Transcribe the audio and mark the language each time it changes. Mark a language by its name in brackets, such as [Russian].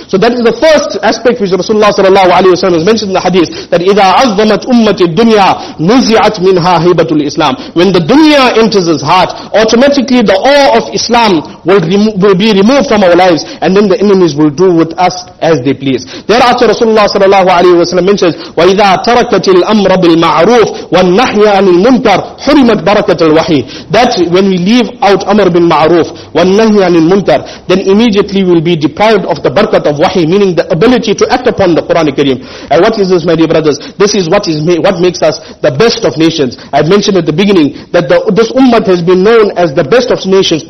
[English] So that is the first aspect which Rasulullah sallallahu alayhi wa sallam has mentioned in the hadith, that [Arabic] إِذَا عَظَّمَتْ أُمَّةِ الدُّنْيَا نُزِعَتْ مِنْهَا هَيْبَةُ الْإِسْلَامِ. [English] When the dunya enters his heart, automatically the awe of Islam will will be removed from our lives, and then the enemies will do with us as they please. Thereafter Rasulullah sallallahu alayhi wa sallam mentions, [Arabic] وَإِذَا تَرَكَتِ الْأَمْرَ بِالْمَعْرُوفِ وَالنَّحْيَ عَنِ الْمُنْكَرِ حُرِمَتْ بَرَكَةَ الْوَحِي. [English] That when we leave out Amr bin Ma'ruf, [Arabic] وَالنَّحْيَ عَنِ الْمُنْكَرِ, [English] then immediately we will be deprived of the barakat of wahi, meaning the ability to act upon the Quran al-Kareem. And what is this, my dear brothers? This is what is what makes us the best of nations. I've mentioned at the beginning that this ummah has been known as the best of nations.